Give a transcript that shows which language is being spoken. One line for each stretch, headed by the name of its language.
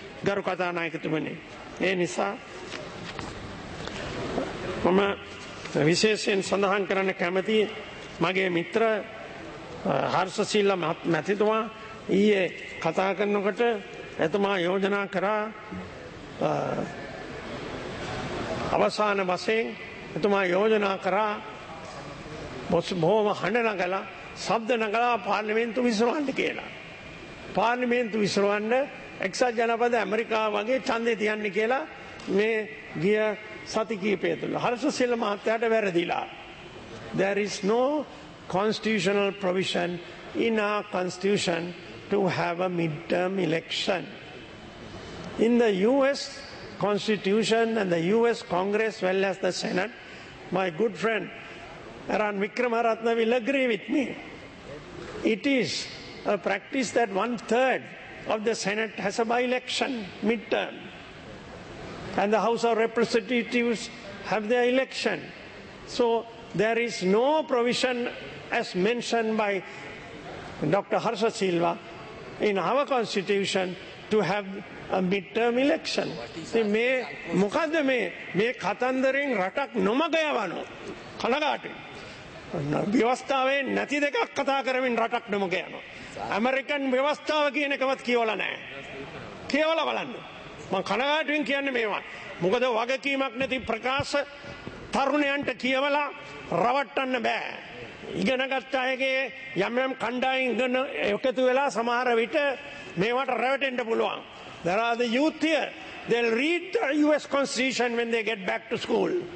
Sinhala: ගරු කථානායකතුමනි, ඒ නිසා මම විශේෂයෙන් සඳහන් කරන්න කැමති මගේ මිත්‍ර හර්ෂසිල්ල මැතිතුමා ඊයේ කතා කරනකොට එතුමා යෝජනා කරා අවසාන වශයෙන් එතුමා යෝජනා කරා බොහොම හඬ නගලා ශබ්ද නගලා පාර්ලිමේන්තු විසිරවන්න කියලා. පාර්ලිමේන්තු විසිරවන්න එක්සත් ජනපද ඇමරිකාව වගේ ඡන්දේ තියන්න කියලා මේ ගිය සති කීපය තුළ හර්ෂසිල්ල මහත්තයාට වැරදිලා.
English: There is no constitutional provision in our constitution to have a midterm election. In the US constitution and the US Congress, well as the Senate, my good friend Aran Vikramaratna will agree with me. It is a practice that 1/3 of the Senate has a by-election midterm, and the House of Representatives have their election. So there is no provision as mentioned by Dr. Harsha Silva in our constitution to have a midterm election.
Sinhala: මේ මොකද මේ කතන්දරෙන් රටක් නොමග යවන කලකටු ව්‍යවස්ථාවේ නැති දෙකක් කතා කරමින් රටක් නොමග යනවා. ඇමරිකන් ව්‍යවස්ථාව කියන එකවත් කියවල නැහැ. කියවල බලන්න. මම කනගාටුවෙන් කියන්නේ මේවා. මොකද වගකීමක් නැති ප්‍රකාශ තරුණයන්ට කියවලා රවට්ටන්න බෑ. ඉගෙන ගත්ත අයගේ යම් යම් කණ්ඩායම් ඉගෙන එකතු වෙලා සමහර විට මේවට රැවටෙන්න පුළුවන්.
English: There are the youth here. They'll read the US Constitution when they get back to school.